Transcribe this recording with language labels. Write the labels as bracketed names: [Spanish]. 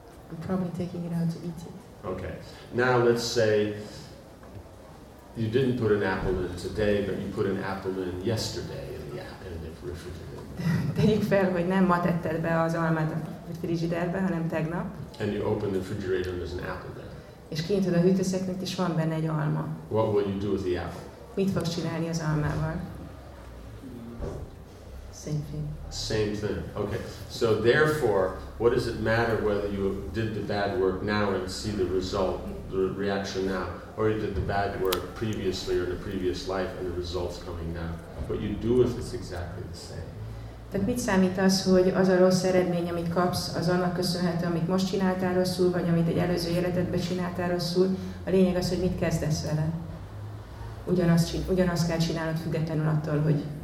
[English] I'm probably taking it out to eat it. Okay. Now let's say you didn't put an apple in today, but you put an apple in yesterday in the refrigerator. [Hungarian] Tegyük fel, hogy nem ma tetted be az almát a frigiderbe, hanem tegnap. [English] And you open the refrigerator and there's an apple there. [Hungarian] És kinyitod a hűtőszekrényt, és van benne egy alma. [English] What will you do with the apple? [Hungarian] Mit fogsz csinálni az almával? [English] Same thing. Okay. So therefore, what does it matter whether you did the bad work now and see the result, the reaction now, or you did the bad work previously or in a previous life and the results coming now? What you do with it's exactly the same. [Hungarian] Tehát mit számít az, hogy az a rossz eredmény, amit kapsz, az annak köszönhető, amit most csináltál rosszul, vagy amit egy előző életedben csináltál rosszul? A lényeg az, hogy mit kezdesz vele. Ugyanazt kell csinálnod függetlenül attól, hogy